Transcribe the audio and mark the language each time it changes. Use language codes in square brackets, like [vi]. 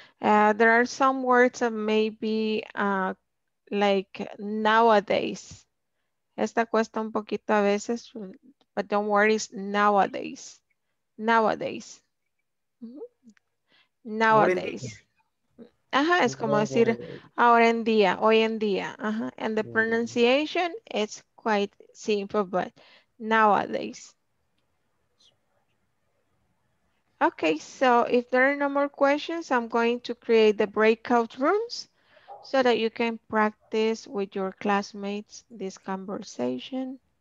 [en] There are some words that maybe like nowadays. [es] Esta cuesta un poquito a veces, [en] but don't worry, it's nowadays. Nowadays. Mm-hmm. Nowadays, [es] Ajá, es como decir ahora en día, hoy en día. Ajá. [en] And the pronunciation is quite simple, but nowadays. Okay, so if there are no more questions, I'm going to create the breakout rooms so that you can practice with your classmates this conversation.